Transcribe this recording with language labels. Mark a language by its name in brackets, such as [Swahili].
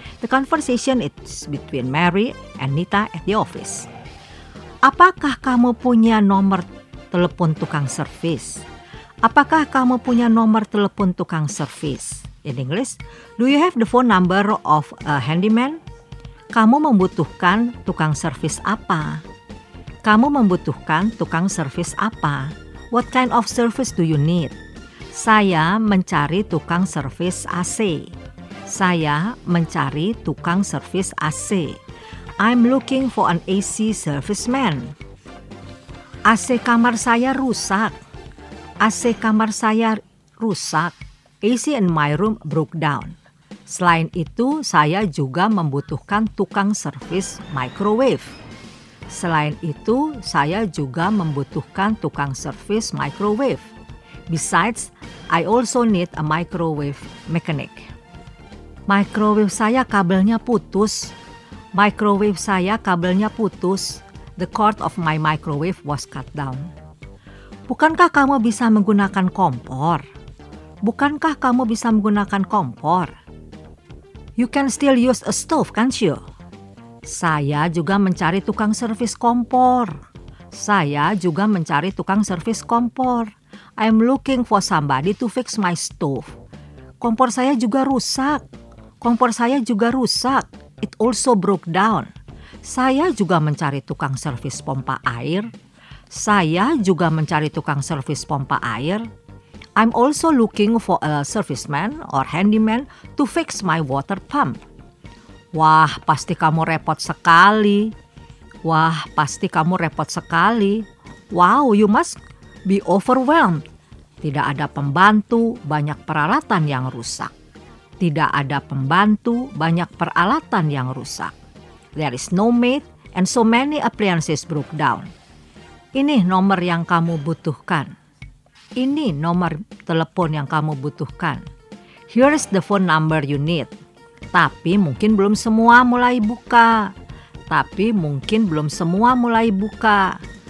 [English] The conversation is between Mary and Nita at the office. [Indonesian] Apakah kamu punya nomor telepon tukang servis? Apakah kamu punya nomor telepon tukang servis? [English] In English, do you have the phone number of a handyman? [Indonesian] Kamu membutuhkan tukang servis apa? Kamu membutuhkan tukang servis apa? [English] What kind of service do you need? [Indonesian] Saya mencari tukang servis AC. Saya mencari tukang servis AC. [English] I'm looking for an AC serviceman. [Indonesian] AC kamar saya rusak. AC kamar saya rusak. [English] AC in my room broke down. [Indonesian] Selain itu, saya juga membutuhkan tukang servis microwave. Selain itu, saya juga membutuhkan tukang servis microwave. [English] Besides, I also need a microwave mechanic. [Indonesian] Microwave saya kabelnya putus. Microwave saya kabelnya putus. [English] The cord of my microwave was cut down. [Indonesian] Bukankah kamu bisa menggunakan kompor? Bukankah kamu bisa menggunakan kompor? [English] You can still use a stove, can't you? [Indonesian] Saya juga mencari tukang servis kompor. Saya juga mencari tukang servis kompor. [English] I'm looking for somebody to fix my stove. [Indonesian] Kompor saya juga rusak. Kompor saya juga rusak. [English] It also broke down. [Indonesian] Saya juga mencari tukang servis pompa air. Saya juga mencari tukang servis pompa air. [English] I'm also looking for a serviceman or handyman to fix my water pump. [Indonesian] Wah, pasti kamu repot sekali. Wah, pasti kamu repot sekali. [English] Wow, you must be overwhelmed. [Indonesian] Tidak ada pembantu, banyak peralatan yang rusak. Tidak ada pembantu, banyak peralatan yang rusak. [English] There is no maid and so many appliances broke down. [Indonesian] Ini nomor yang kamu butuhkan. Ini nomor telepon yang kamu butuhkan. [English] Here is the phone number you need. [Indonesian] Tapi mungkin belum semua mulai buka. Tapi mungkin belum semua mulai buka.